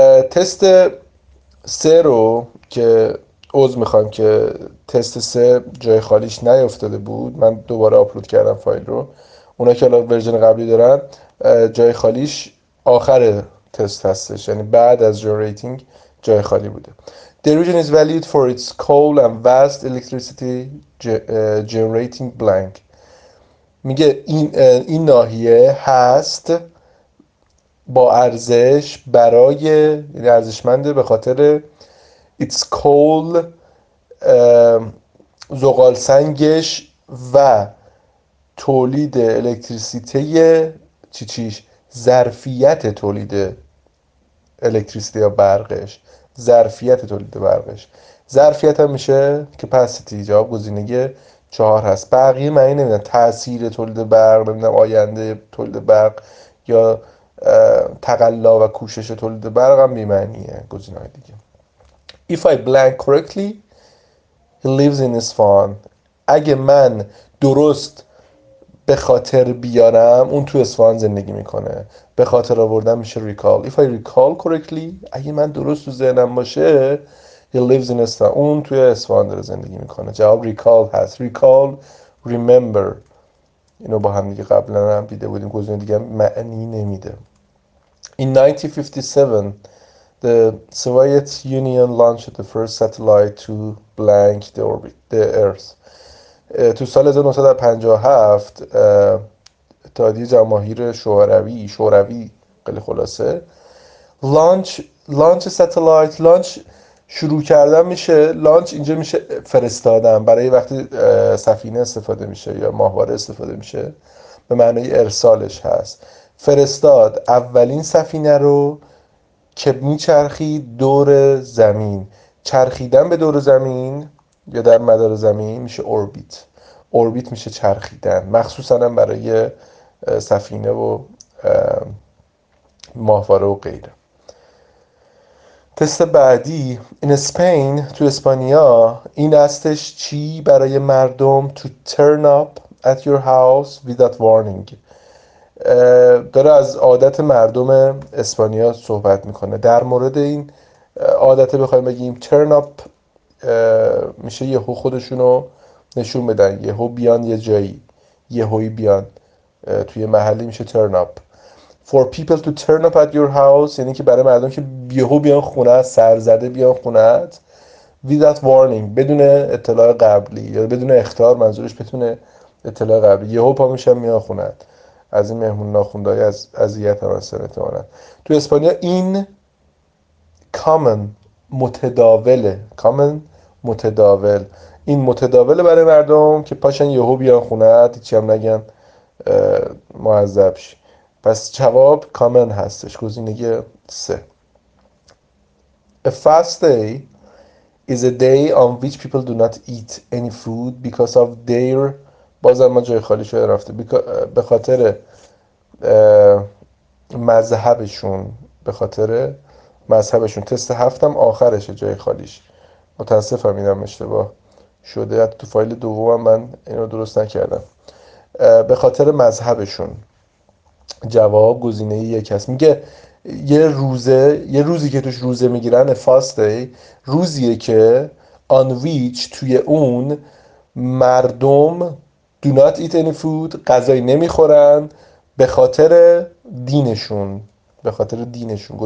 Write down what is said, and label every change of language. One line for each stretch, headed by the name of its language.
Persian: تست سه رو که عذر میخوام که تست سه جای خالیش نیفتاده بود، من دوباره آپلود کردم فایل رو، اونا که الان ورژن قبلی دارن جای خالیش آخر تست هستش، یعنی بعد از جنریتینگ جای خالی بوده.
English: The region is valued for its coal and vast electricity generating blank.
Persian: میگه این ناحیه هست با ارزش برای، یعنی ارزشمنده به خاطر
English: its coal،
Persian: زغال سنگش و تولید الکتریسیته، چیش ظرفیت تولید الکتریسیته یا برقش، ظرفیت تولید برقش، ظرفیت هم میشه capacity. جواب گزینه 4 هست. بقیه معنی نمیدن، تأثیر تولید برق، نمیدن آینده تولید برق یا تقلا و کوشش تولید برق هم بیمعنیه. گزینه های دیگه،
English: If I blank correctly he lives in Isfahan.
Persian: اگه من درست به خاطر بیارم اون تو اصفهان زندگی میکنه. به خاطر آوردن میشه recall.
English: If I recall correctly،
Persian: اگه من درست تو ذهنم باشه،
English: he lives in Isfahan،
Persian: اون توی اصفهان داره زندگی میکنه. جواب recall هست. recall، remember، اینو با هم دیگه قبلا هم دیده بودیم. گزینه دیگه معنی نمیده.
English: In 1957 the Soviet Union launched the first satellite to blank the orbit the earth.
Persian: تو سال 1957 اتحادیه جماهیر شوروی خیلی خلاصه
English: launch satellite،
Persian: launch شروع کردن میشه، لانچ اینجا میشه فرستادن، برای وقتی سفینه استفاده میشه یا ماهواره استفاده میشه به معنی ارسالش هست. فرستاد اولین سفینه رو که میچرخید دور زمین. چرخیدن به دور زمین یا در مدار زمین میشه اوربیت. اوربیت میشه چرخیدن، مخصوصا هم برای سفینه و ماهواره و غیره. تست بعدی،
English: in Spain،
Persian: تو اسپانیا، این استش چی برای مردم
English: to turn up at your house without warning.
Persian: داره از عادت مردم اسپانیا صحبت میکنه. در مورد این عادت بخوایم بگیم turn up میشه یهو خودشونو نشون بدن، یهو بیان یه جایی، یهویی بیان توی محلی میشه turn up.
English: For people to turn up at your house
Persian: یعنی که برای مردم که یهو بیان خونه، سرزده بیان خونه
English: without warning،
Persian: بدون اطلاع قبلی یا بدون اختیار، منظورش بدون اطلاع قبلی، یهو پا میشن میان خونه، از این مهمون ناخوندهای از اذیت هم هستن احتمالا. تو اسپانیا این common متداوله، کامل متداول. این متداوله برای مردم که پاشن یهو بیان خونه هیچی هم نگن معذب شی. پس جواب کامن هستش، گزینه سه.
English: A fast day is a day on which people do not eat any food because of their،
Persian: بازم ما جای خالی شده رفته، به خاطر مذهبشون، به خاطر مذهبشون. تست هفتم آخرشه جای خالیش، متاسفم اینم اشتباه شده، حتی تو فایل دومم من اینو درست نکردم. به خاطر مذهبشون جواب گزینه یک هست. میگه یه روزه، یه روزی که توش روزه میگیرن، فاست دی، روزیه که
English: on which
Persian: توی اون مردم
English: do not eat any food,
Persian: غذایی نمیخورن به خاطر دینشون، به خاطر دینشون.